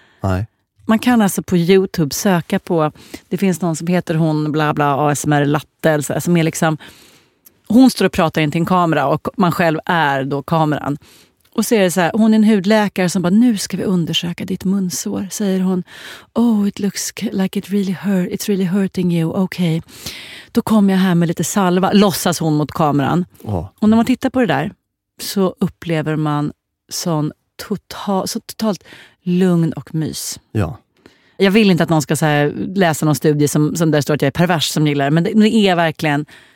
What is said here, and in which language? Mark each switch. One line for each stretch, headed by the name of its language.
Swedish: Nej. Man kan alltså på YouTube söka på, det finns någon som heter hon bla bla ASMR Latte, som är liksom... Hon står och pratar in till en kamera och man själv är då kameran. Och så är det så här, hon är en hudläkare som bara, nu ska vi undersöka ditt munsår. Säger hon,
English: oh it looks like it really hurt, it's really hurting you, okay.
Swedish: Då kommer jag här med lite salva, låtsas hon mot kameran. Oh. Och när man tittar på det där så upplever man sån totalt lugn och mys. Ja. Jag vill inte att någon ska så här läsa någon studie som där står att jag är pervers som gillar det, men det är verkligen...